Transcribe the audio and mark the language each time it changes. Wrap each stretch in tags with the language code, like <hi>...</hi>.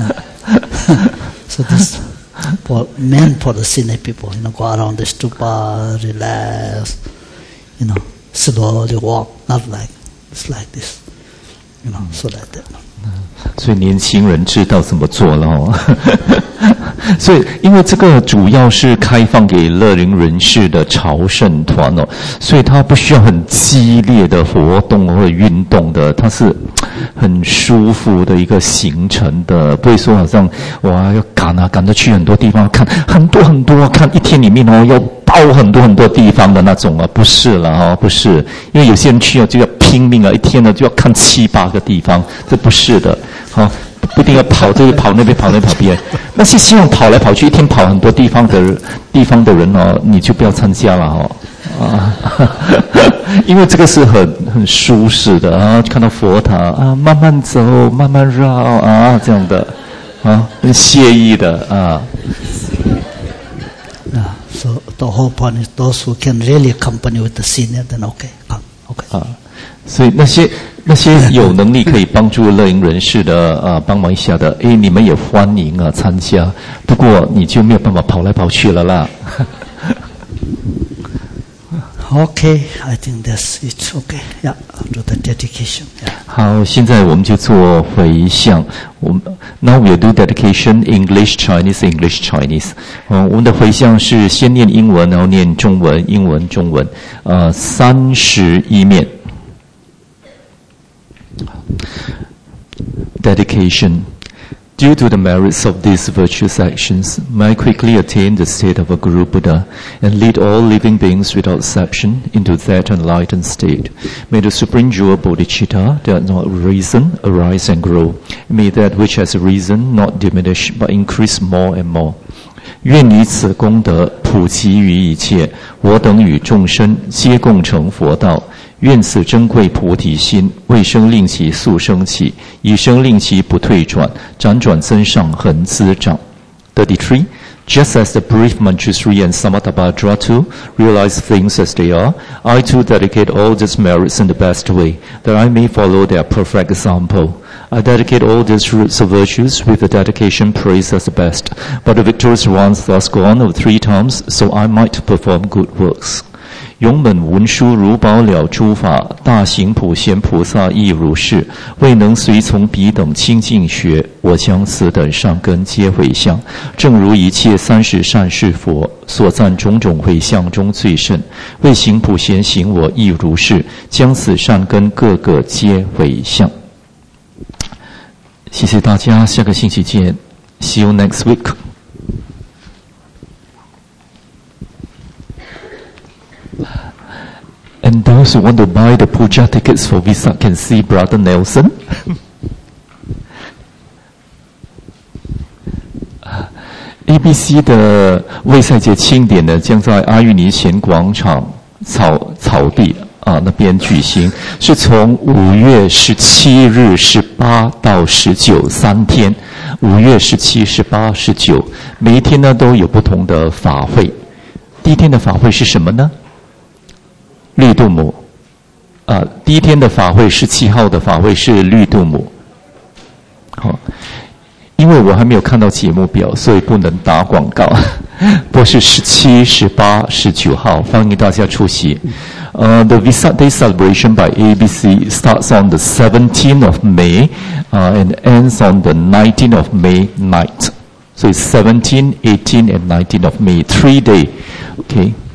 <en>So this for the senior people, you know, go around the stupa, relax, you know, slowly walk, not like it's like this, you know, so like that.</en> <zh>所以年轻人知道怎么做了哦。所以因为这个主要是开放给乐龄人士的朝圣团哦，所以他不需要很激烈的活动或者运动的，他是。很舒服的一个行程的，不会说好像哇要赶啊赶着去很多地方看很多很多看一天里面哦要到很多很多地方的那种啊，不是了哦，不是，因为有些人去了就要拼命啊，一天呢就要看七八个地方，这不是的，好、哦。不一定要跑这边跑那边跑那边跑别人，那些希望跑来跑去一天跑很多地方的人哦，你就不要参加了哦，啊，因为这个是很舒适的啊，看到佛塔啊，慢慢走慢慢绕啊这样的，啊，很惬意的啊。</zh> <en>So the whole point is those who can really accompany with the senior, then okay, come, okay. 啊，</en> <zh>所以那些有能力可以帮助乐营人士的啊，帮忙一下的，哎，你们也欢迎啊参加。不过你就没有办法跑来跑去了啦。</zh> <en>Okay, I think that's it. Okay, yeah, do the dedication. Yeah.</en> <zh>好，现在我们就做回向。</zh> <en>Now we'll do dedication, English, Chinese, English, Chinese.</en> <zh>我们的回向是先念英文，然后念中文，英文，中文。三十一面。</zh> <en>Dedication. Due to the merits of these virtuous actions, may I quickly attain the state of a Guru Buddha and lead all living beings without exception into that enlightened state. May the Supreme Jewel Bodhicitta that not reason arise and grow. May that which has reason not diminish but increase more and more.</en> <zh>愿以此功德普及于一切，我等与众生皆共成佛道。愿此珍贵菩提心未生令其速生起，以生令其不退转，辗转增上恒滋长。</zh> <en>33. Just as the brief Manjushri and Samatabhadratu realize things as they are, I too dedicate all these merits in the best way, that I may follow their perfect example. I dedicate all these roots of virtues with the dedication praised as the best, but the victorious ones thus go on over three times, so I might perform good works.</en> <zh>勇本文殊如宝了诸法，大行普贤菩萨亦如是，未能随从彼等清净学，我将此等善根皆回向，正如一切三十善士佛所赞种种回向中最甚，未行普贤行我亦如是，将此善根各个皆回向。谢谢大家，下个星期见。</zh> <en>See you next week. And those who want to buy the puja tickets for Visak can see Brother Nelson.</en> <zh>ABC 的卫赛节庆典呢，将在阿育尼贤广场草地啊那边举行，是从5月17日、18到19三天。 5月17、18、19，每一天呢都有不同的法会。第一天的法会是什么呢？绿度母，第一天的法会17号的法会是绿度母。好，因为我还没有看到节目表，所以不能打广告。不是17、18、19号，欢迎大家出席。</zh> <en>The Visak Day celebration by ABC starts on the 17th of May, and ends on the 19th of May night. So it's 17, 18, and 19 of May, 3 days. Okay.</en>